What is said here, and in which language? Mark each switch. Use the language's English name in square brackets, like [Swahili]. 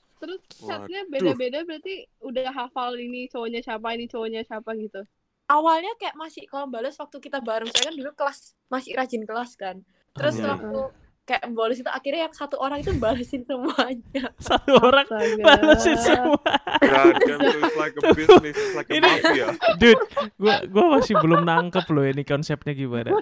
[Indonesian] Terus chatnya beda-beda berarti udah hafal ini cowoknya siapa gitu. Awalnya kayak masih... Kalau balas waktu kita bareng, saya kan dulu kelas. Masih rajin kelas kan. Terus waktu... Kayak balas itu akhirnya yang satu orang itu balasin semuanya. Satu orang balasin semua. [English] God, it's like a business, it's like a mafia. [Indonesian] Dude, gua masih belum nangkep loh ini konsepnya gimana.